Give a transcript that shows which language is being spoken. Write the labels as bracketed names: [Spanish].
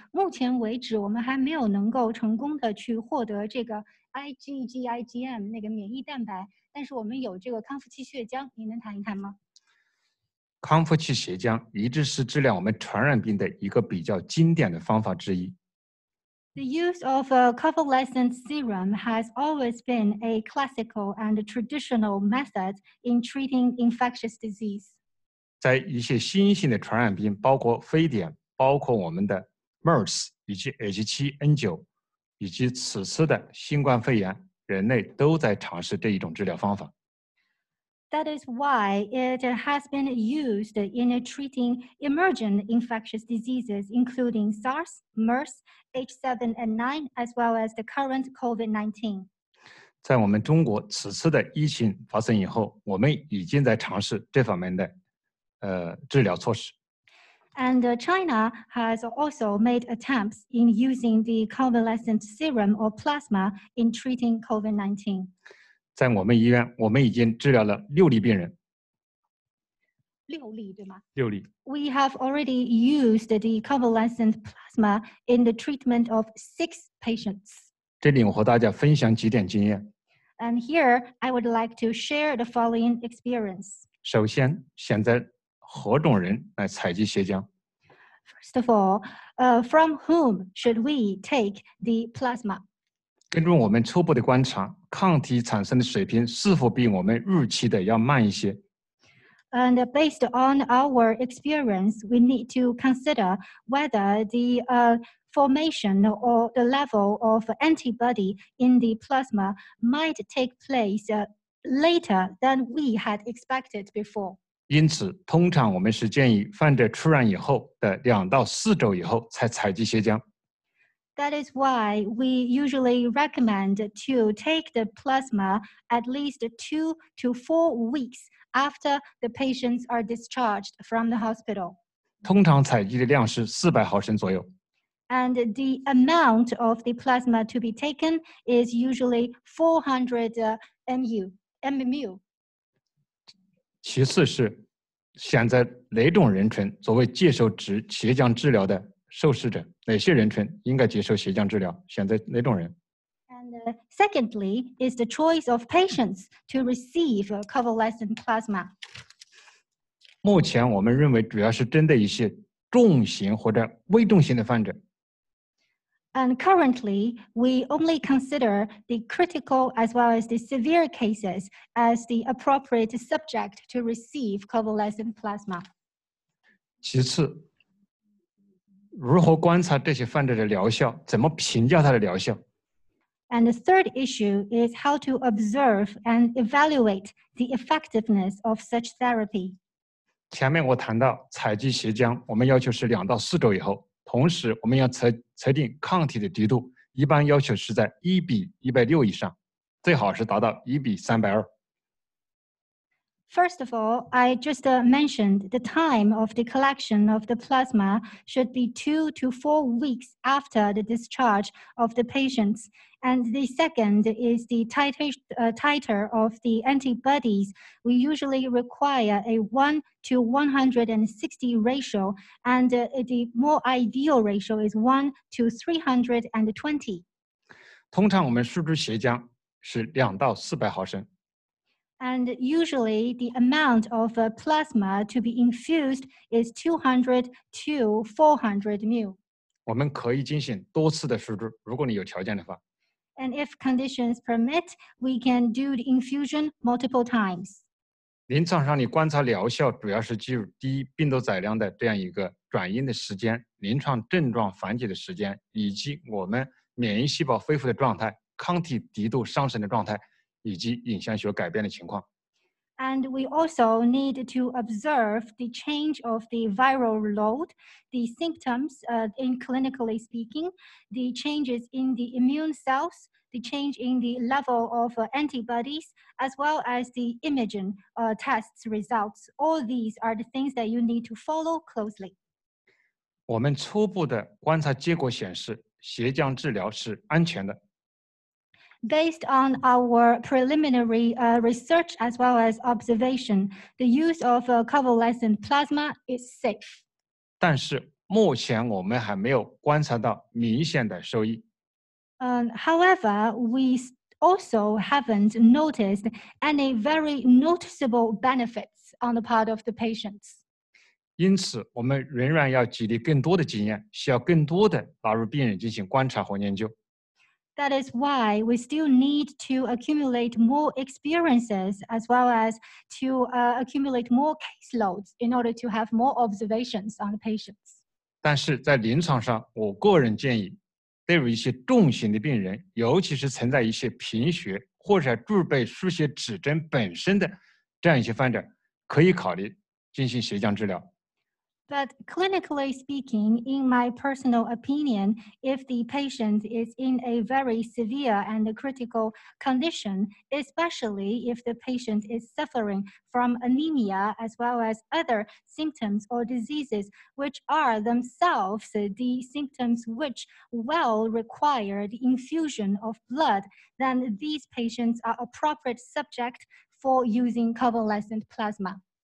[Chinese] 目前为止，我们还没有能够成功的去获得这个 IgG、IgM 那个免疫蛋白，但是我们有这个康复期血浆，您能谈一谈吗？康复期血浆一直是治疗我们传染病的一个比较经典的方法之一。 [English] The use of a convalescent serum has always been a classical and traditional method in treating infectious disease. [Chinese] 在一些新型的传染病，包括非典，包括我们的 MERS 以及 H7N9， 以及此次的新冠肺炎，人类都在尝试这一种治疗方法。 [English] That is why it has been used in treating emergent infectious diseases, including SARS, MERS, H7N9, as well as the current COVID-19. [Chinese] 在我们中国此次的疫情发生以后，我们已经在尝试这方面的治疗措施。 [English] And China has also made attempts in using the convalescent serum or plasma in treating COVID-19. [Chinese] 在我们医院，我们已经治疗了六例病人。六例对吗？六例。 [English] We have already used the convalescent plasma in the treatment of 6 patients. [Chinese] 这里我和大家分享几点经验。 [English] And here I would like to share the following experience. [Chinese] 首先，选择何种人来采集血浆 [English] ？First of all, from whom should we take the plasma? [Chinese] 根据我们初步的观察。抗体产生的水平是否比我们预期的要慢一些 [English] ？And based on our experience, we need to consider whether the formation or the level of antibody in the plasma might take place later than we had expected before. [Chinese] 因此，通常我们是建议患者出院以后的2到4周以后才采集血浆。 [English] That is why we usually recommend to take the plasma at least 2 to 4 weeks after the patients are discharged from the hospital. [Chinese] 通常采集的量是400毫升左右。 [English] And the amount of the plasma to be taken is usually 400 mU. [Chinese] 其次是选择哪种人群作为接受血浆治疗的受试者。哪些人群应该接受血浆治疗？选择哪种人 [English] ？And secondly, is the choice of patients to receive convalescent plasma. [Chinese] 目前我们认为主要是针对一些重型或者危重型的患者。 [English] And currently, we only consider the critical as well as the severe cases as the appropriate subject to receive convalescent plasma. [Chinese] 其次。如何观察这些患者的疗效？怎么评价他的疗效 [English] ？And the third issue is how to observe and evaluate the effectiveness of such therapy. [Chinese] 前面我谈到采集血浆，我们要求是2到4周以后，同时我们要测定抗体的低度，一般要求是在1:160以上，最好是达到1:320。 [English] First of all, I just mentioned the time of the collection of the plasma should be 2 to 4 weeks after the discharge of the patients. And the second is the titer of the antibodies. We usually require a 1:160 ratio, and the more ideal ratio is 1:320. [Chinese] 通常我们输出血浆是2到400毫升。 [English] And usually, the amount of plasma to be infused is 200 to 400 mU. [Chinese] 我们可以进行多次的输注，如果你有条件的话。 [English] And if conditions permit, we can do the infusion multiple times. [Chinese] 临床上你观察疗效主要是基于低病毒载量的这样一个转阴的时间、临床症状缓解的时间以及我们免疫细胞恢复的状态、抗体敌度上升的状态以及影像学改变的情况。 [English] And we also need to observe the change of the viral load, the symptoms, in clinically speaking, the changes in the immune cells, the change in the level of antibodies, as well as the imaging tests results. All these are the things that you need to follow closely. [Chinese] 我们初步的观察结果显示，斜降治疗是安全的。 [English] Based on our preliminary research as well as observation, the use of convalescent plasma is safe. [Chinese] 但是目前我们还没有观察到明显的收益。 [English] However, we also haven't noticed any very noticeable benefits on the part of the patients. [Chinese] 因此我们仍然要积累更多的经验，需要更多的纳入病人进行观察和研究。 [English] That is why we still need to accumulate more experiences as well as to accumulate more caseloads in order to have more observations on the patients. [Chinese] 但是在临床上，我个人建议，对于一些重型的病人，尤其是存在一些贫血或者具备输血指征本身的这样一些患者，可以考虑进行斜降治疗。 [English] But clinically speaking, in my personal opinion, if the patient is in a very severe and critical condition, especially if the patient is suffering from anemia as well as other symptoms or diseases, which are themselves the symptoms which will require the infusion of blood, then these patients are appropriate subject for using convalescent plasma.